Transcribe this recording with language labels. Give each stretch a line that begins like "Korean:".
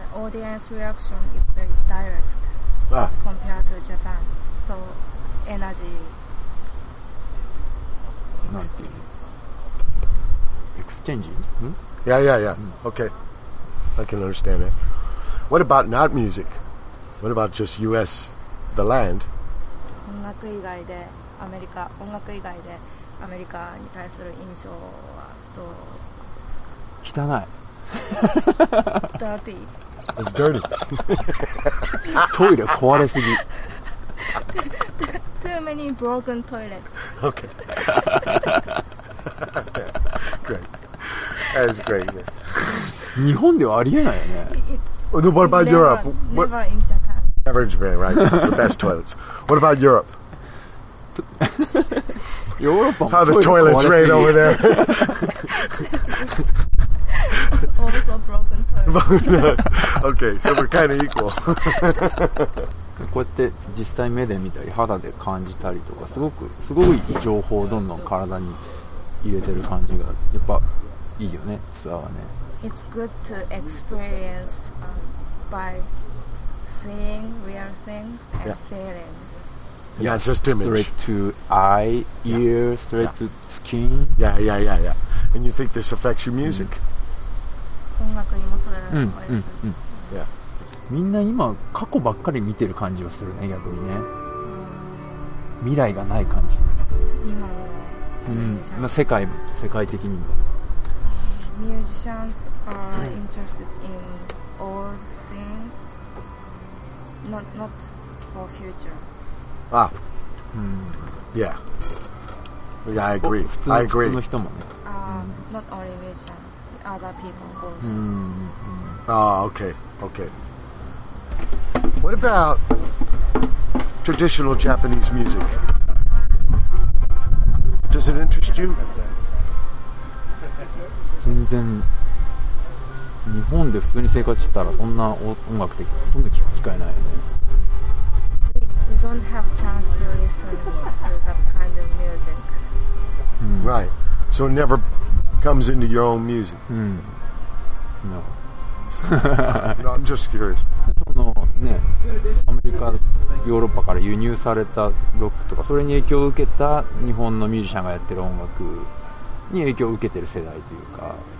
English: The audience reaction is very direct compared to Japan. So energy exchange. Yeah, yeah, yeah. Okay, I can understand it. What about not music? What about just U.S. the land?
Japanese: 音楽以外でアメリカ、音楽以外でアメリカに対する印象はどうですか？汚い。
English: Dirty. It's dirty.
Japanese: トイレ壊れすぎ。
English: Too many broken toilets. Okay. Great. That is great.
Japanese: 日本ではありえないよね。
English: What about Europe? Never in Japan. Never in Japan, right? The best toilets. What about Europe? Europe. How the toilets rate over there? Also broken toilets. Okay, so we're kind of equal.
Japanese: こうやって実際目で見たり肌で感じたりとかすごくすごい情報をどんどん体に入れてる感じがやっぱいいよねツアーはね
English: It's good to experience、by seeing real things and、yeah. feeling Yeah, just image Straight to eye, ear, yeah. straight yeah. to skin Yeah, yeah, yeah, yeah And you think this affects your music?
Japanese: 音楽にもそれだと思います
English: Yeah
Japanese: みんな今過去ばっかり見てる感じをするね逆にね未来がない感じ今の、うん、世界的にも
English: Musicians are interested in old things not for future Yeah Yeah, I agree
Japanese: 普通の人もね、
English: Not only musicians Other people also Okay What about traditional Japanese music? Does it interest you?
Japanese: 全然日本で普通に生活してたらそんな音楽的ほとんど聞く機会ないよね。
English: We don't have chance to listen to that kind of music. Right. So it never comes into your own music. No. No, I'm just curious.
Japanese: ね、アメリカ、ヨーロッパから輸入されたロックとかそれに影響を受けた日本のミュージシャンがやってる音楽に影響を受けてる世代というか